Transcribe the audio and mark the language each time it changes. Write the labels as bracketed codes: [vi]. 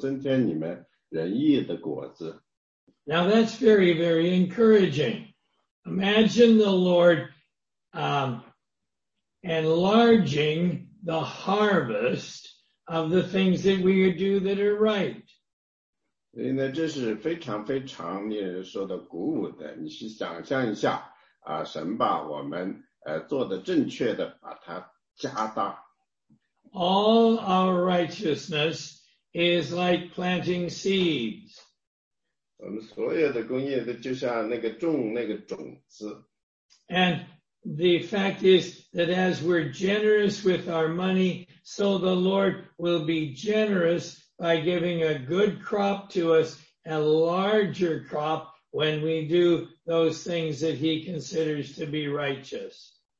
[zh] 第十节，那赐种给撒种的，赐粮给人吃的，必多多加给你们种地的种子，又增添你们仁义的果子。 [en] Now that's very, very encouraging. Imagine the Lord enlarging the harvest of the things that we do that are right. [zh] 所以呢，这是非常非常令人受到鼓舞的。你去想象一下，神把我们做的正确的，把它加大。 [en] All our righteousness is like planting seeds. [zh] 我们所有的工业的就像那个种那个种子。 [en] And the fact is that as we're generous with our money, so the Lord will be generous by giving a good crop to us, a larger crop, when we do those things that he considers to be righteous.